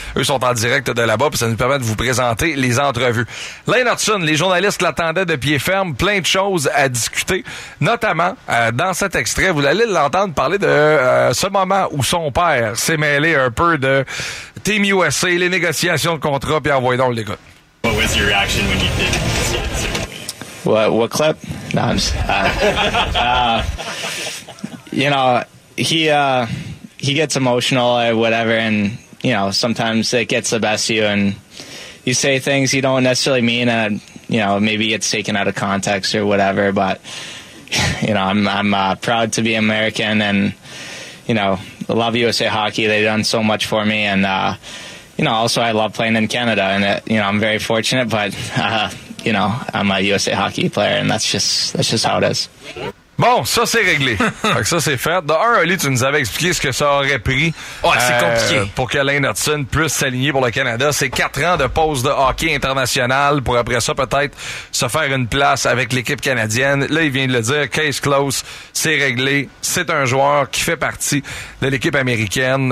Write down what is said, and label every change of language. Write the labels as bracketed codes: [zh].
[fr] Eux sont en direct de là-bas, puis ça nous permet de vous présenter les entrevues. Lane Hutson, les journalistes l'attendaient de pied ferme. Plein de choses à discuter. Notamment, dans cet extrait, vous allez l'entendre parler de ce moment où son père s'est mêlé un peu de Team USA, les négociations de contrat, puis envoyez donc les gars. [en] What was your reaction when you did see it? What clip? No, I'm just, you know, he gets emotional or whatever, and, you know, sometimes it gets the best of you, and you say things you don't necessarily mean, and, you know, maybe it's taken out of context or whatever, but, you know, I'm proud to be American, and, you know, I love USA Hockey. They've done so much for me, and, you know, also I love playing in Canada, and you know, I'm very fortunate, but you know, I'm a USA Hockey player, and that's just how it is. [fr] Bon, ça c'est réglé. Fait que ça c'est fait. De un, Oli, tu nous avais expliqué ce que ça aurait pris. Ouais, c'est compliqué. Pour que Lane Hutson puisse s'aligner pour le Canada. C'est 4 ans de pause de hockey international pour après ça peut-être se faire une place avec l'équipe canadienne. Là, il vient de le dire, case close, c'est réglé. C'est un joueur qui fait partie de l'équipe américaine.